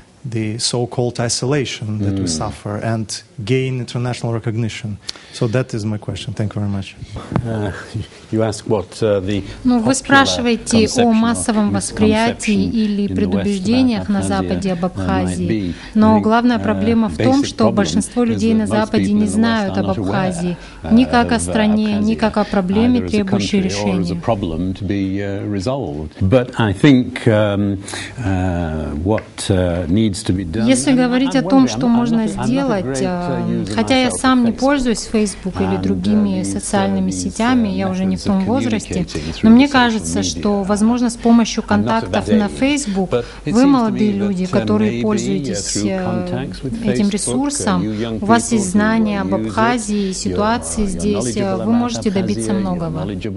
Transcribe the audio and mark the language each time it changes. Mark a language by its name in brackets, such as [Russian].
[English] The so-called isolation that we suffer and gain international recognition. So that is my question. Thank you very much. You ask what the. [Russian] Ну, вы спрашиваете о массовом восприятии или предубеждениях на Западе об Абхазии. Но главная проблема в том, что большинство людей на Западе не знают об Абхазии, ни как о стране, ни как о проблеме, требующей решения. [English] But I think what needs to be done. [Russian] Если говорить о том, что можно сделать. Хотя я сам не пользуюсь Facebook или другими социальными сетями, я уже не в том возрасте, но мне кажется, что, возможно, с помощью контактов на Facebook вы, молодые люди, которые пользуетесь этим ресурсом, у вас есть знания об Абхазии и ситуации здесь, вы можете добиться многого.